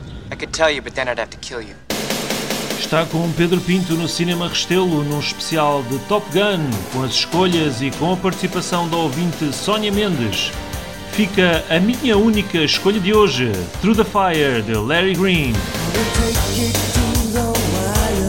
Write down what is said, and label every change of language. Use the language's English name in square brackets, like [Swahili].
[English] I could tell you, but then I'd have to kill you. [Portuguese] Está com Pedro Pinto no Cinema Restelo, num especial de Top Gun, com as escolhas e com a participação da ouvinte Sónia Mendes. Fica a minha única escolha de hoje, Through the Fire, de Larry Green. [English] Through the fire, through the wire,